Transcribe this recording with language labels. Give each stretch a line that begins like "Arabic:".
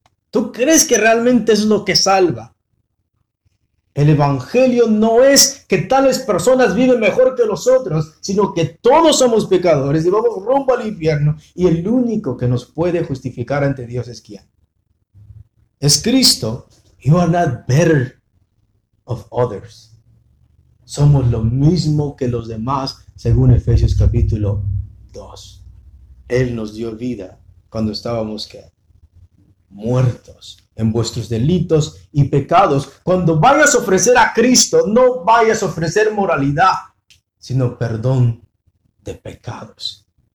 Spanish: ¿Tú crees que realmente es lo que salva? El evangelio no es que tales personas viven mejor que los otros, sino que todos somos pecadores y vamos rumbo al infierno. Y el único que nos puede justificar ante Dios es ¿quién? Es Cristo.
English: You are not better of others.
Spanish: Somos lo mismo que los demás, según Efesios capítulo 2. Él nos dio vida cuando estábamos ¿qué? Muertos en vuestros delitos y pecados. Cuando vayas a ofrecer a Cristo, no vayas a ofrecer moralidad, sino perdón de pecados.